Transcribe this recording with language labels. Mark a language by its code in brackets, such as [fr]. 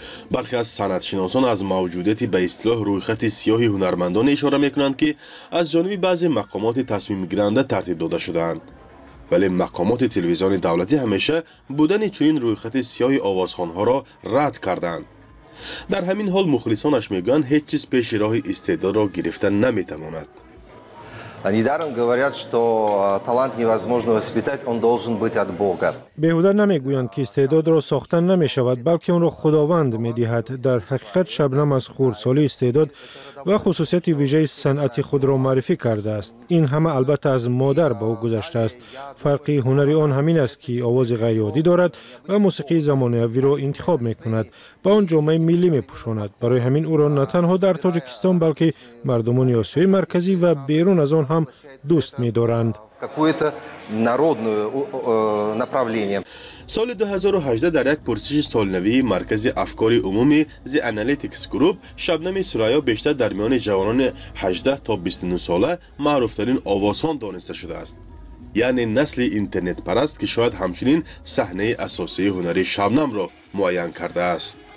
[fa] برخی از سنت‌شناسان از موجودیت به اصطلاح رویخط سیاه هنرمندان اشاره می‌کنند که از جانب بعضی مقامات تصمیم‌گیرنده ترتیب داده شده‌اند، ولی مقامات تلویزیون دولتی همیشه بودن چنین رویخط سیاه آوازخوان‌ها را رد کردند. در همین حال مخلصانش میگویند هیچ چیز پیش راه استعداد را گرفتن نمیتواند. [ru] Они даром говорят, что талант невозможно воспитать, он должен быть от Бога. [tg] Бехуда намегуянд ки истеъдод ро сохтан намешавад, балки онро Худованд медиҳад. Дар ҳақиқат Шабнам аз хурдсоли истеъдод ва хусусияти вижаи санъати худро маърифӣ кардааст. Ин ҳама албатта аз модар ба ӯ гузаштааст. Фарқи ҳунари он ҳамин аст ки овози ғайриоддӣ дорад ва мусиқии замонавиро интихоб мекунад. Ба он ҷомеи миллӣ мепӯшонад. Барои ҳамин ӯро на танҳо дар Тоҷикистон, балки мардумони Осиёи марказӣ ва берун аз он ҳам дӯст медоранд. [ru] Какое-то народное направление. [tg] Соли 2018 дар як пурсиши солнавии Маркази афкори умуми The Analytics Group, Шабнами Сурайо бештар дар миёни ҷавонони 18 то 29 сола маъруфтарин овозхон дониста шудааст. Яъне насли интернетпараст, ки шояд ҳамчунин саҳнаи асосии ҳунари Шабнамро муайян кардааст.